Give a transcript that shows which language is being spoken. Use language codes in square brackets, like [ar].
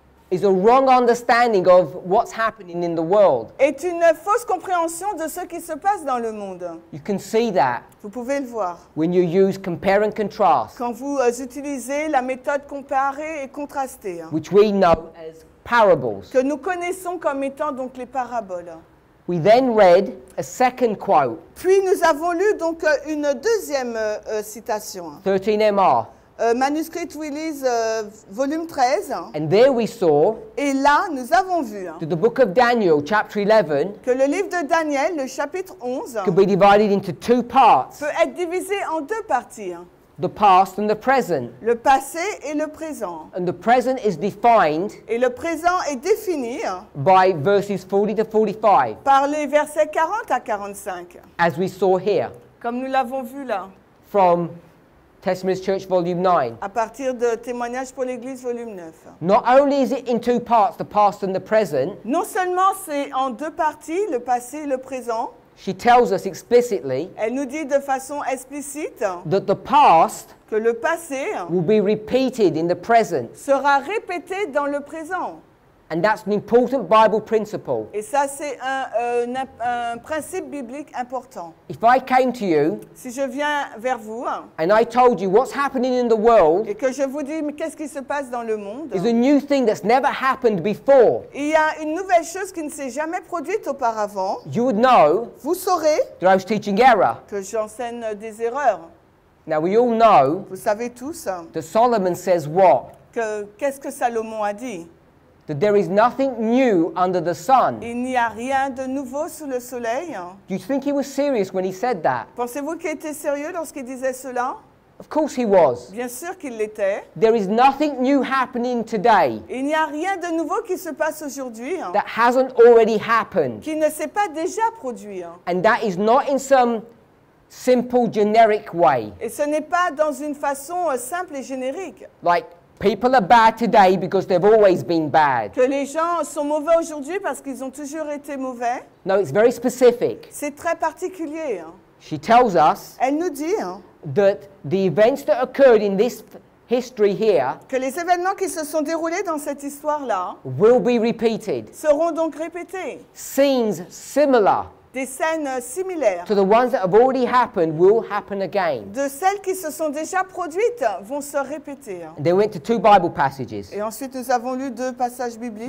[en] Is a wrong understanding of what's happening in the world. [fr] Est une fausse compréhension de ce qui se passe dans le monde. [en] You can see that. [fr] Vous pouvez le voir. [en] When you use compare and contrast. [fr] Quand vous utilisez la méthode comparer et contraster. [en] Which we know as parables. [fr] Que nous connaissons comme étant donc les paraboles. [en] We then read a second quote. [fr] Puis nous avons lu donc une deuxième citation. [en] 13 MR. [fr] Manuscrit Willis, volume 13. [en] And there we saw. [fr] Et là, nous avons vu. [en] The book of Daniel, chapter 11. [fr] Que le livre de Daniel, le chapitre 11. [en] Could be divided into two parts. [fr] Peut être divisé en deux parties. [en] The past and the present. [fr] Le passé et le présent. [en] And the present is defined. [fr] Et le présent est défini. [en] By verses 40 to 45. [fr] Par les versets 40 à 45. [en] As we saw here. [fr] Comme nous l'avons vu là. [en] From Testimonies Church, volume 9. [fr] À partir de Témoignages pour l'Église, volume 9. [en] Not only is it in two parts, the past and the present. [fr] Non seulement c'est en deux parties, le passé et le présent. [en] She tells us explicitly. [fr] Elle nous dit de façon explicite. [en] That the past. [fr] Que le passé. [en] Will be repeated in the present. [fr] Sera répété dans le présent. [en] And that's an important Bible principle. [fr] Et ça, c'est un principe biblique important. [en] If I came to you, [fr] si je viens vers vous, [en] and I told you what's happening in the world, [fr] et que je vous dis, mais qu'est-ce qui se passe dans le monde, [en] is a new thing that's never happened before. [fr] Il y a une nouvelle chose qui ne s'est jamais produite auparavant. [en] You would know. [fr] Vous saurez. [en] That I was teaching error. [fr] Que j'enseigne des erreurs. [en] Now we all know. [fr] Vous savez tous. [en] That Solomon says what? [fr] Qu'est-ce que Salomon a dit? [en] That there is nothing new under the sun. [fr] Il n'y a rien de nouveau sous le soleil. [en] Do you think he was serious when he said that? [fr] Pensez-vous qu'il était sérieux lorsqu'il disait cela? [en] Of course he was. [fr] Bien sûr qu'il l'était. [en] There is nothing new happening today. [fr] Il n'y a rien de nouveau qui se passe aujourd'hui. [en] That hasn't already happened. [fr] Qui ne s'est pas déjà produit. [en] And that is not in some simple generic way. [fr] Et ce n'est pas dans une façon simple et générique. [en] Like, people are bad today because they've always been bad. [fr] Que les gens sont mauvais aujourd'hui parce qu'ils ont toujours été mauvais. [en] No, it's very specific. [fr] C'est très particulier. [en] She tells us. [fr] Elle nous dit. [en] That the events that occurred in this history here. [fr] Que les événements qui se sont déroulés dans cette histoire là. [en] Will be repeated. [fr] Seront donc répétés. [en] Scenes similar. [fr] Des scènes similaires. [en] To the ones that have already happened will happen again. [fr] De celles qui se sont déjà produites vont se répéter. [en] And they went to two Bible passages. [fr] Et ensuite nous avons lu deux passages bibliques.